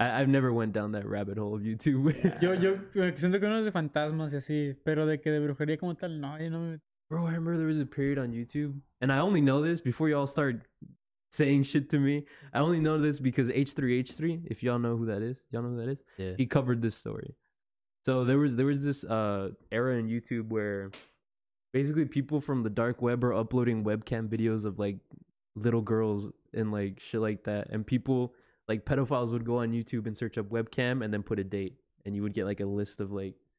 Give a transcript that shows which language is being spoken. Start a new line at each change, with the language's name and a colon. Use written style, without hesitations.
English: I've never went down that rabbit hole of YouTube.
Spanish: Yo siento que uno es de fantasmas y así, pero de que de brujería como tal, no, yo no.
English: Bro, I remember there was a period on YouTube, and I only know this before y'all start saying shit to me. I only know this because H3H3, if y'all know who that is, yeah, he covered this story. So there was this era in YouTube where basically people from the dark web are uploading webcam videos of like little girls and like shit like that, and people like pedophiles would go on YouTube and search up webcam and then put a date, and you would get like a list of like